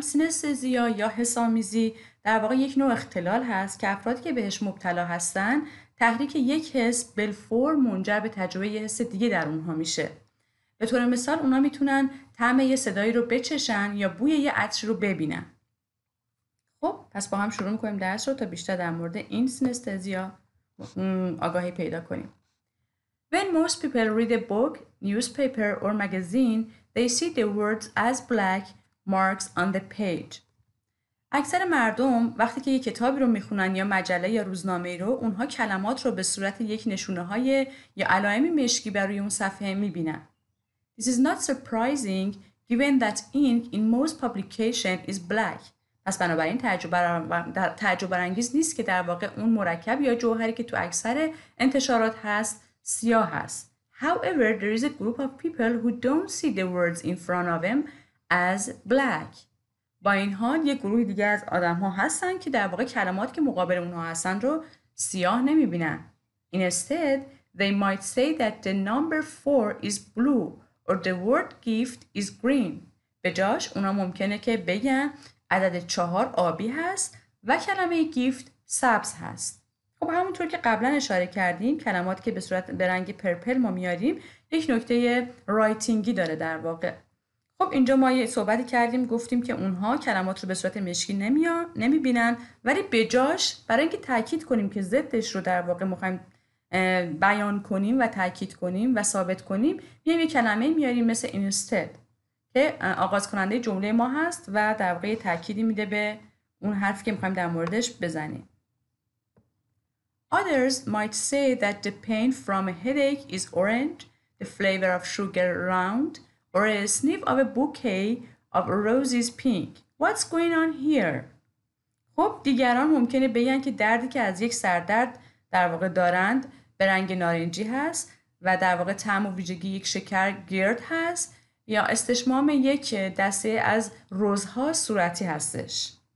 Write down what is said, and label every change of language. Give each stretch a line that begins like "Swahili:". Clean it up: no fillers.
Persian: سینستزیا یا حسامیزی در واقع یک نوع اختلال هست که افرادی که بهش مبتلا هستن تحریک یک حس بالفور منجر به تجربه یه حس دیگه در اونها میشه. به طور مثال اونا میتونن طعم یه صدایی رو بچشن یا بوی یه عطر رو ببینن. خب پس با هم شروع میکنیم درس رو تا بیشتر در مورد این سینستزیا آگاهی پیدا کنیم.
English: When most people read a book, newspaper or magazine, they see the words as black marks on the page.
Persian: اکثر مردم وقتی که یک کتابی رو میخونن یا مجله یا روزنامه رو، اونها کلمات رو به صورت یک نشونه های یا علائم مشکی بر روی اون صفحه میبینن.
English: This is not surprising given that ink in most publication is black.
Persian: پس بنابراین تعجب‌برانگیز نیست که در واقع اون مرکب یا جوهری که تو اکثر انتشارات هست سیاه هست.
English: However, there is a group of people who don't see the words in front of them as black.
Persian: با این حال یک گروه دیگه از آدم ها هستن که در واقع کلمات که مقابل اونها هستن رو سیاه نمی بینن.
English: Instead, they might say that the number 4 is blue or the word gift is green.
Persian: به جاش اونا ممکنه که بگن عدد 4 آبی هست و کلمه گیفت سبز هست. خب همونطور که قبلا اشاره کردیم کلمات که به صورت به رنگ پرپل ما میاریم یک نکته رایتینگی داره در واقع. خب اینجا ما یه صحبتی کردیم، گفتیم که اونها کلمات رو به صورت مشکی نمیبینن، ولی به جاش برای اینکه تاکید کنیم که ضدش رو در واقع میخوایم بیان کنیم و تاکید کنیم و ثابت کنیم، میایم یه کلمه میاریم مثل instead که آغاز کننده جمله ما هست و در واقع تاکیدی میده به اون حرفی که میخوایم در موردش بزنیم.
English: Others might say that the pain from a headache is orange, the flavor of sugar round, or a sniff of a bouquet of roses pink. What's going on here?
Persian: خب دیگران ممکنه بگن که دردی که از یک سردرد در واقع دارند به رنگ نارنجی هست و در واقع طعم و ویژگی یک شکر گرد هست یا استشمام یک دسته از روزها صورتی هستش.